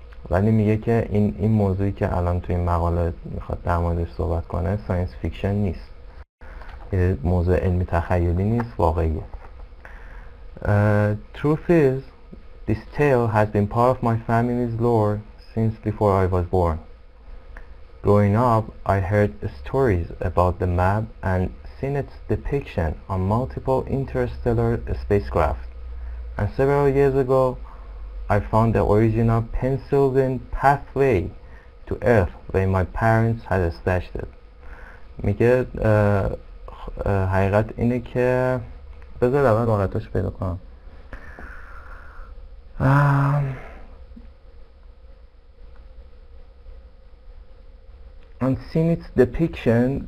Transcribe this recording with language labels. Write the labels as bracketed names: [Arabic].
[Persian] ولی میگه که این موضوعی که الان توی مقاله میخواد در موردش صحبت کنه ساینس فیکشن نیست، یه موضوع علمی تخیلی نیست، واقعیه. [English] Truth is this tale has been part of my family's lore since before I was born. Growing up I heard stories about the map and seen its depiction on multiple interstellar spacecraft. And several years ago, I found the original penciled-in pathway to Earth where my parents had stashed it. [Persian] میگه حقیقت اینه که بذار اول واقعیتش پیدا کنم. [English] And seen its depiction.